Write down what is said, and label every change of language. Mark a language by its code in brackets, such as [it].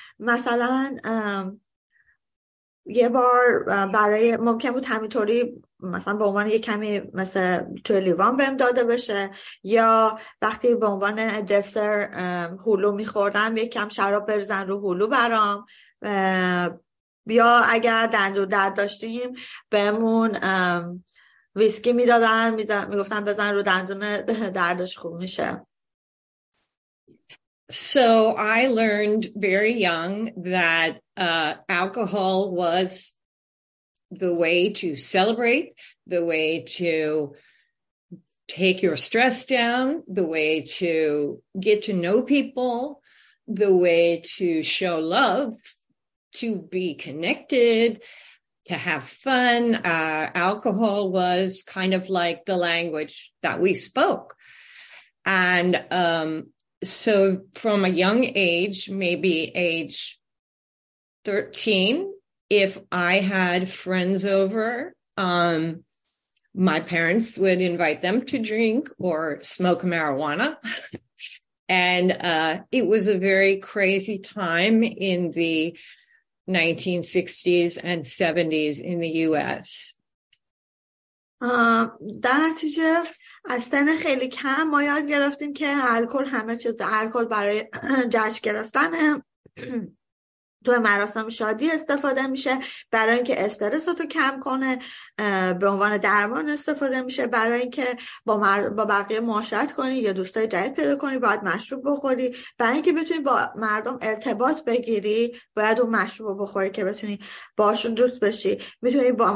[fa] مثلا یه بار برای ممکن بود همینطوری مثلا به عنوان یه کمی مثل توی لیوان بهم داده بشه، یا وقتی به عنوان دسر هلو میخوردم یه کم شراب بریزن رو هلو برام، یا اگر دندون درد داشتیم بهمون ویسکی میدادن، میگفتن بزن رو دندون دردش خوب میشه. [en] So I learned very young that alcohol was the way to celebrate, the way to take your stress down, the way to get to know people, the way to show love, to be connected, to have fun. Alcohol was kind of like the language that we spoke. And so from a young age, maybe age 13, if I had friends over, my parents would invite them to drink or smoke marijuana. And it was a very crazy time in the 1960s and 70s in the US. [fa] در نتیجه از سن خیلی کم ما یاد گرفتیم که الکل همه چیز، الکل برای جشن گرفتن تو مراسم شادی استفاده میشه، برای اینکه استرس رو کم کنه به عنوان درمان استفاده میشه، برای اینکه با بقیه معاشرت کنی یا دوستای جدید پیدا کنی باید مشروب بخوری، برای اینکه بتونی با مردم ارتباط بگیری باید اون مشروب رو بخوری که بتونی باشون دوست بشی، میتونی